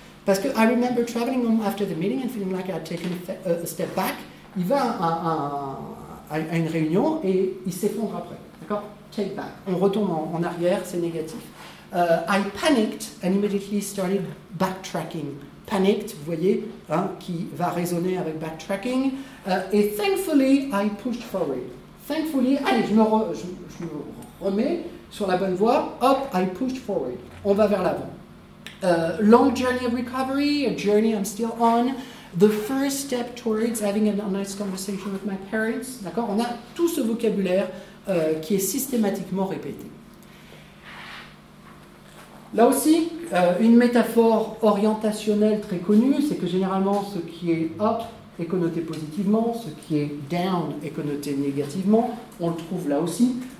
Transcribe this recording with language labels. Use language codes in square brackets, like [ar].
[fr] Parce que [en] I remember traveling home after the meeting and feeling like I had taken a step back. [fr] Il va à une réunion et il s'effondre après. D'accord? [en] Take back. [fr] On retourne en arrière, c'est négatif. [en] I panicked and immediately started backtracking. [fr] Panicked, vous voyez, hein, qui va résonner avec backtracking. Et [en] thankfully, I pushed forward. Thankfully, [fr] allez, je me remets sur la bonne voie. Hop, [en] I pushed forward. [fr] On va vers l'avant. [en] Long journey of recovery, a journey I'm still on. The first step towards having an honest conversation with my parents. [fr] D'accord? On a tout ce vocabulaire qui est systématiquement répété. Là aussi, une métaphore orientationnelle très connue, c'est que généralement, ce qui est up est connoté positivement, ce qui est down est connoté négativement. On le trouve là aussi.